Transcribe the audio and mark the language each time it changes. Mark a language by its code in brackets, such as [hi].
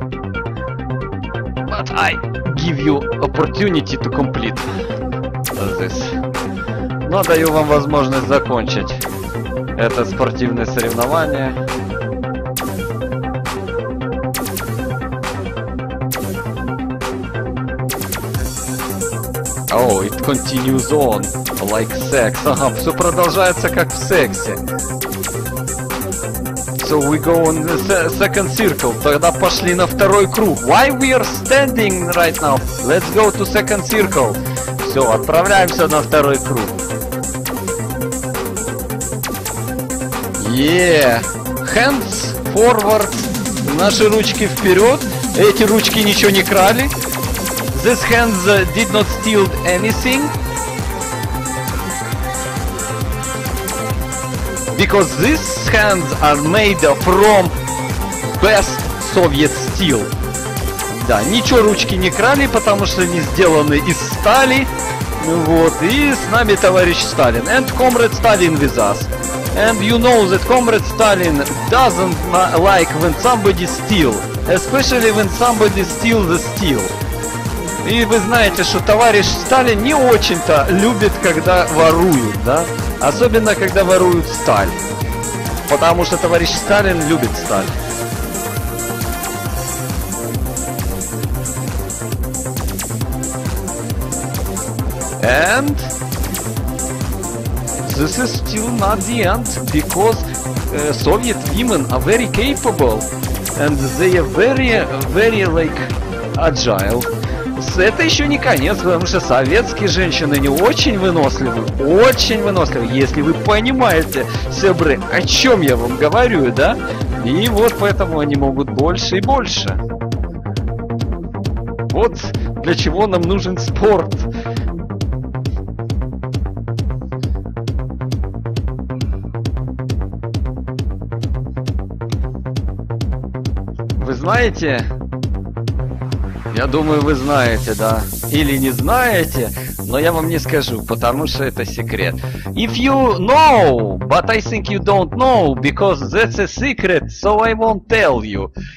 [en] But I give you opportunity to complete this. [ru] Но даю вам возможность закончить это спортивное соревнование. [en] Oh, it continues on. Like sex. [ru] Ага, все продолжается как в сексе. [en] So we go on the second circle. [ru] Тогда пошли на второй круг. [en] Why we are standing right now? Let's go to second circle. [ru] Все, отправляемся на второй круг. [en] Yeah. Hands forward. [ru] Наши ручки вперед. Эти ручки ничего не крали. [en] This hands did not steal anything. Because these hands are made from best Soviet steel. Да, ничего ручки не крали, потому что они сделаны из стали. [ru] Вот, и с нами товарищ Сталин. [en] And comrade Stalin with us. And you know that comrade Stalin doesn't like when somebody steal. Especially when somebody steal the steel. [ru] И вы знаете, что товарищ Сталин не очень-то любит, когда воруют, да? Особенно, когда воруют сталь. Потому что товарищ Сталин любит сталь. [en] And... This is still not the end, because Soviet women are very capable. And they are very, very, like, agile. [ru] Это еще не конец, потому что советские женщины не очень выносливы, очень выносливы, если вы понимаете, сябры, о чем я вам говорю, да? И вот поэтому они могут больше и больше. Вот для чего нам нужен спорт. Вы знаете... Я думаю, вы знаете, да? Или не знаете, но я вам не скажу, потому что это секрет. [en] If you know, but I think you don't know, because that's a secret, so I won't tell you.